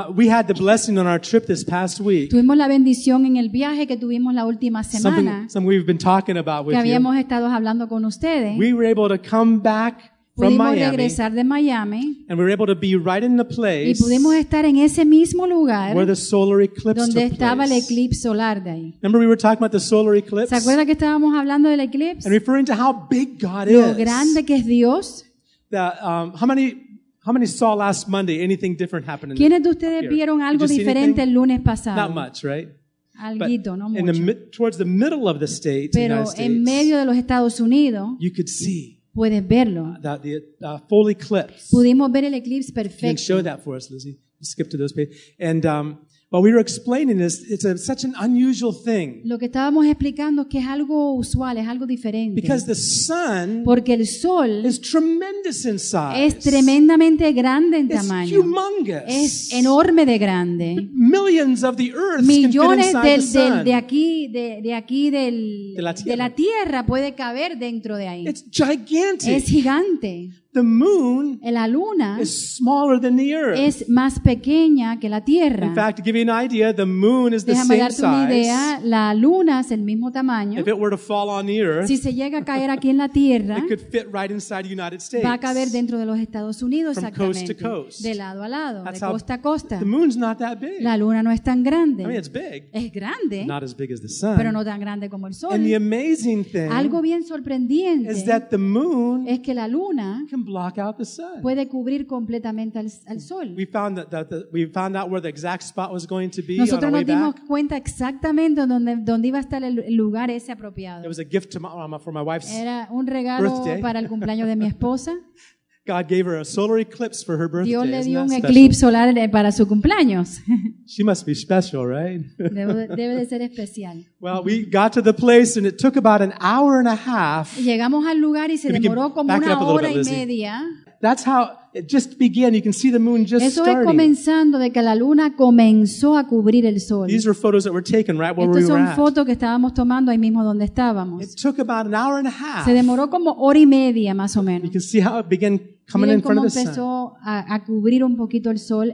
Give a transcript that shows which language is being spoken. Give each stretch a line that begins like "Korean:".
English: We had the blessing on our trip this past week.
Spanish: Tuvimos la bendición en el viaje que tuvimos la última semana.
English: Something we've been talking about with
Spanish: que habíamos
English: you.
Spanish: Estado hablando con ustedes.
English: We were able to come back. From
Spanish: pudimos regresar de Miami,
English: and we were able to be right in the place
Spanish: y pudimos estar en ese mismo lugar
English: where the solar eclipse
Spanish: donde estaba
English: place.
Spanish: El eclipse solar de ahí.
English: Remember we were talking about the solar eclipse?
Spanish: ¿Se acuerda que estábamos hablando del eclipse?
English: And referring to how big God
Spanish: lo
English: is.
Spanish: Grande que es Dios.
English: How many saw last Monday anything different happened?
Spanish: ¿Quiénes de ustedes vieron algo diferente el lunes pasado?
English: Not much, right?
Spanish: Alguito, no mucho.
English: Towards the middle of the state,
Spanish: pero
English: United States,
Spanish: en medio de los Estados Unidos,
English: you could see.
Spanish: Puedes verlo.
English: Full eclipse.
Spanish: Pudimos ver el eclipse perfecto.
English: You can show that for us, Lizzie. Skip to those pages. And what we were explaining is it's such an unusual thing.
Spanish: Lo que estábamos explicando es que es algo usual, es algo diferente.
English: Because the sun,
Spanish: porque el sol,
English: is tremendous in size.
Spanish: Es tremendamente grande en
English: it's
Spanish: tamaño.
English: It's humongous.
Spanish: Es enorme de grande.
English: Millions of the earth
Spanish: millones
English: can fit inside
Spanish: del,
English: the sun.
Spanish: De aquí de la tierra puede caber dentro de ahí.
English: It's gigantic.
Spanish: Es gigante.
English: The moon,
Spanish: la luna,
English: is smaller than the earth.
Spanish: Es más pequeña que la tierra.
English: In fact, to give you an idea, the moon is
Spanish: déjame
English: the same
Spanish: darte una idea,
English: size.
Spanish: La luna es el mismo tamaño.
English: If it were to fall on the earth,
Spanish: si se llega a caer aquí en la tierra,
English: it could fit right inside the United States.
Spanish: Va a caber dentro de los Estados Unidos,
English: from
Spanish: exactamente,
English: coast to coast.
Spanish: De lado a lado,
English: that's
Spanish: de costa a costa.
English: The moon's not that big.
Spanish: La luna no es tan grande.
English: I mean, it's big.
Spanish: Es grande.
English: Not as big as the sun.
Spanish: Pero no tan grande como el sol.
English: And the amazing thing,
Spanish: algo bien sorprendente,
English: is that the moon,
Spanish: es que la luna,
English: block out the sun.
Spanish: Puede cubrir completamente al sol.
English: We found out where the exact spot was going to be.
Spanish: Nosotros
English: on
Spanish: nos
English: way back.
Spanish: Dimos cuenta exactamente donde iba a estar el lugar ese apropiado.
English: It was a gift to for my wife's
Spanish: era un regalo
English: birthday.
Spanish: Para el cumpleaños de mi esposa.
English: God gave her a solar eclipse for her birthday.
Spanish: Dios le dio un eclipse solar para su cumpleaños.
English: She must be special, right?
Spanish: Debe de ser especial.
English: Well, we got to the place and it took about an hour and a half.
Spanish: Llegamos al lugar y se demoró como una hora y media.
English: That's how it just began. You can see the moon just starting.
Spanish: Eso es comenzando de que la luna comenzó a cubrir el sol.
English: These are photos that were taken right where we were at.
Spanish: Estas son fotos que estábamos tomando ahí mismo donde estábamos.
English: It took about an hour and a half.
Spanish: Se demoró como hora y media más o menos.
English: You can see how it began coming in front of the sun.
Spanish: Miren cómo empezó a cubrir un poquito el sol.